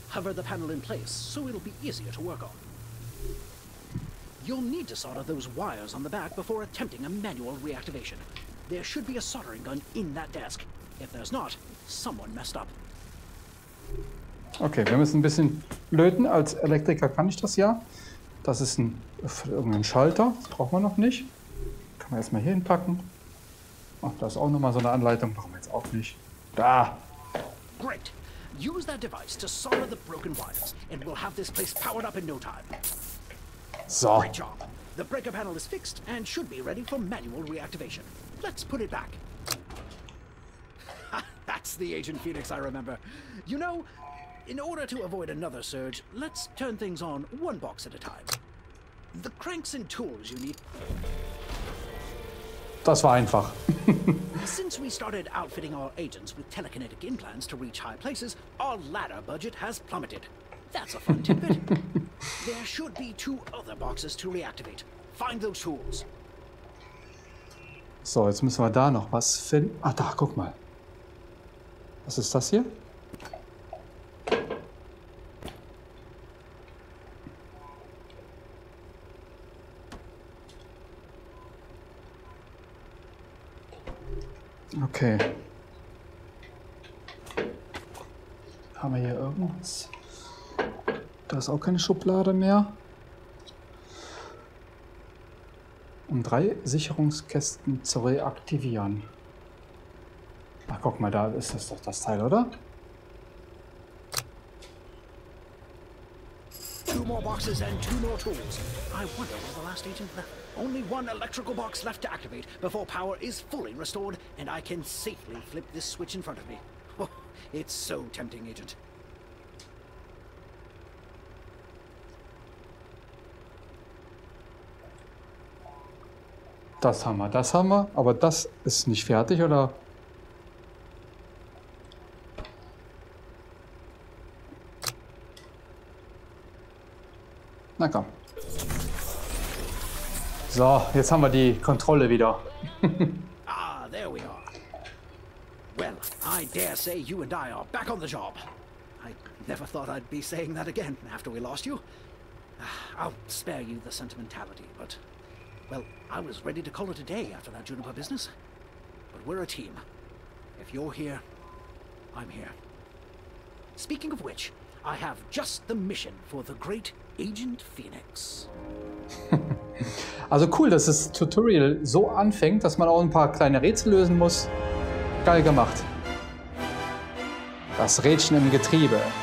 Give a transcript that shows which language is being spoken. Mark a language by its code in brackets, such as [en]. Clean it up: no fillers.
[en] Hover the panel in place, so it'll be easier to work on. You'll need to solder those wires on the back before attempting a manual reactivation. There should be a soldering gun in that desk. If there's not, someone messed up. [de] Okay, wir müssen ein bisschen löten. Als Elektriker kann ich das ja. Das ist irgendein Schalter. Das brauchen wir noch nicht. Kann man erstmal hier hinpacken. Ach, da ist auch nochmal so eine Anleitung. Brauchen wir jetzt auch nicht. Da! [en] Great! Use that device to solder the broken wires and we'll have this place powered up in no time. So. Great job! The breaker panel is fixed and should be ready for manual reactivation. Let's put it back. That's the Agent Phoenix I remember. You know, in order to avoid another surge, let's turn things on one box at a time. The cranks and tools you need. [de] Das war einfach. [en] Since we started outfitting our agents with telekinetic implants to reach high places, our ladder budget has plummeted. That's a fun tidbit. There should be two other boxes to reactivate. Find those tools. [de] So, jetzt müssen wir da noch was finden. Ah, da, guck mal. Was ist das hier? Okay. Haben wir hier irgendwas? Da ist auch keine Schublade mehr. Um drei Sicherungskästen zu reaktivieren. Ach, guck mal, da ist das doch das Teil, oder? [en] Two more boxes and two more tools. I wonder where the last agent left. Only one electrical box left to activate before power is fully restored and I can safely flip this switch in front of me. Oh, it's so tempting, Agent. [de] Das haben wir, das haben wir. Aber das ist nicht fertig, oder? Na komm. So, jetzt haben wir die Kontrolle wieder. [en] Ah, there we are. Well, I dare say you and I are back on the job. I never thought I'd be saying that again after we lost you. I'll spare you the sentimentality, but... Well, I was ready to call it a day after that Juniper business. But we're a team. If you're here, I'm here. Speaking of which, I have just the mission for the great Agent Phoenix. [de] Also cool, dass das Tutorial so anfängt, dass man auch ein paar kleine Rätsel lösen muss. Geil gemacht. Das Rädchen im Getriebe.